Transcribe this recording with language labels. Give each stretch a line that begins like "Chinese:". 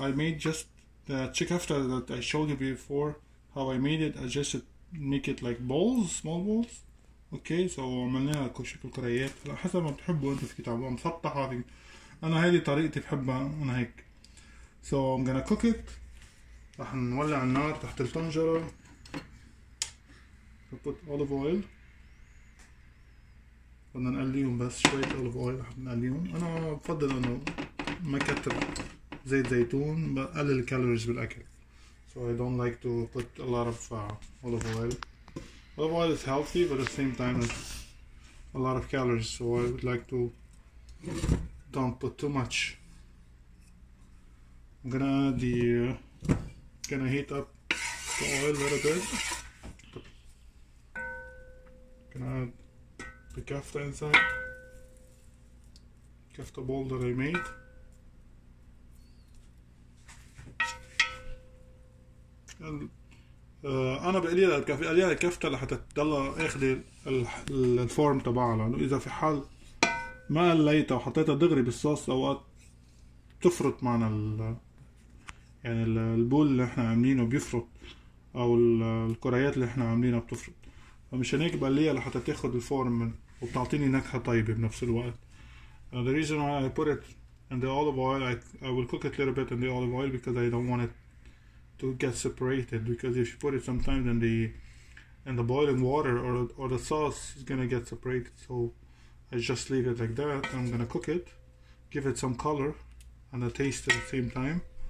English: I made just the chikafta that I showed you before. How I made it, I just make it like balls, small balls. Okay, so
Arabic: عملناها كشكل كريات على حسب ما بتحبوا انتوا في كتابة مسطحة. انا هذه طريقتي بحبها انا هيك.
English: So I'm gonna cook it.
Arabic: راح نولع النار تحت الطنجرة.
English: Put olive oil.
Arabic: بدنا نقليهم بس شوية اوليف اويل. رح نقليهم. انا بفضل انه ما كتر زيت زيتون, بقلل الكالوريز بالاكل.
English: So I don't like to put a lot of olive oil. Olive oil is healthy but at the same time it's a lot of calories, so I would like to don't put too much. I'm gonna add gonna heat up the oil a little bit. Gonna add the kafta inside, kafta bowl that I made.
Arabic: أنا بقلي لها الكافي, قلي لها الكفتة لحتى تضل أخذ الفورم تبعها, لأنه إذا في حال ما قليتها وحطيتها دغري بالصوص أوقات تفرط معنا يعني البول اللي إحنا عاملينه بيفرط, أو الكريات اللي إحنا عاملينها بتفرط. فمشان هيك بقليها لحتى تاخذ الفورم وبتعطيني نكهة طيبة بنفس الوقت.
English: And the reason why I put it in the olive oil, I will cook it a little bit in the olive oil because I don't want it to get separated, because if you put it sometimes in the boiling water or the sauce, it's gonna get separated. So I just leave it like that. I'm gonna cook it, give it some color and a taste at the same time.